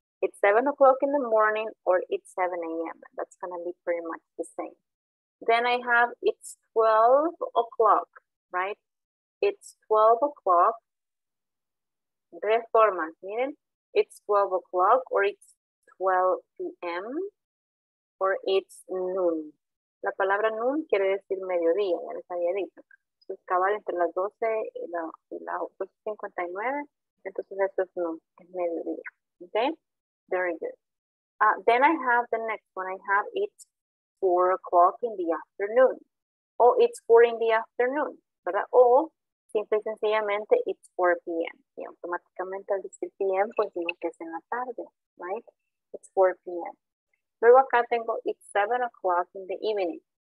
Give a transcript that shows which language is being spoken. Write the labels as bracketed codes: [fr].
[en] It's 7 o'clock in the morning or it's 7 a.m. That's going to be pretty much the same. Then I have, it's 12 o'clock, right? It's 12 o'clock. [es] Tres formas, miren. [en] It's 12 o'clock, or it's 12 p.m., or it's noon. [es] La palabra noon quiere decir mediodía, ya les había dicho. Entonces, cabal entre las 12 y la 8:59, entonces eso es noon, es mediodía. [en] Okay? Very good. Then I have the next one. I have it's 4 o'clock in the afternoon, o it's 4 in the afternoon, ¿verdad? [es] O simple y sencillamente [en] it's 4 p.m. [es] Y automáticamente al decir p.m. pues digo que es en la tarde, right? [en] It's 4 p.m. [es] Luego acá tengo [en] it's 7 o'clock in the evening.